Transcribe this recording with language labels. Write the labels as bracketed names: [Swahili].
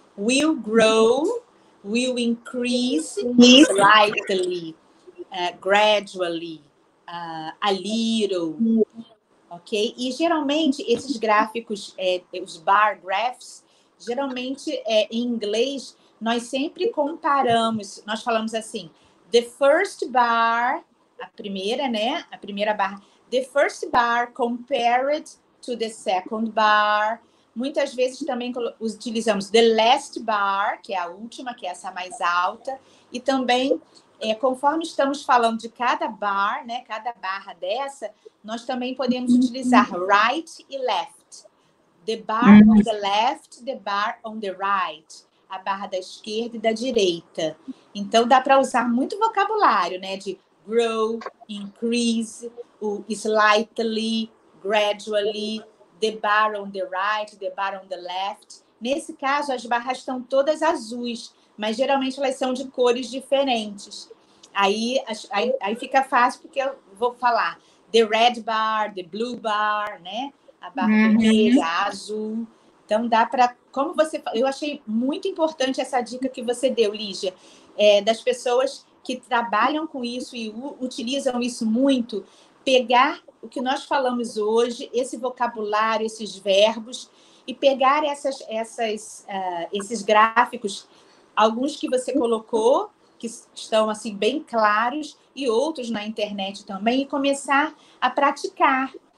[English] Will grow, will increase slightly, gradually, a little. Ok? [Portuguese] E geralmente, esses gráficos, os bar graphs, geralmente, em inglês, nós sempre comparamos, nós falamos assim... [English] The first bar, [Portuguese] a primeira, né? A primeira barra. [English] The first bar compared to the second bar. [Portuguese] Muitas vezes também utilizamos [English] the last bar, [Portuguese] que é a última, que é essa mais alta. E também, conforme estamos falando de cada bar, né? Cada barra dessa, nós também podemos utilizar right e left. [English] The bar on the left, the bar on the right. [Portuguese] A barra da esquerda e da direita. Então, dá para usar muito vocabulário, né? [English] De grow, increase, o slightly, gradually, the bar on the right, the bar on the left. [Portuguese] Nesse caso, as barras estão todas azuis, mas geralmente elas são de cores diferentes. Aí fica fácil, porque eu vou falar [English] the red bar, the blue bar, [Portuguese] né? A barra vermelha, a azul. Então, dá para... Como você, eu achei muito importante essa dica que você deu, Lígia, das pessoas que trabalham com isso e utilizam isso muito, pegar o que nós falamos hoje, esse vocabulário, esses verbos, e pegar esses gráficos, alguns que você colocou, que estão assim, bem claros, e outros na internet também, e começar a praticar.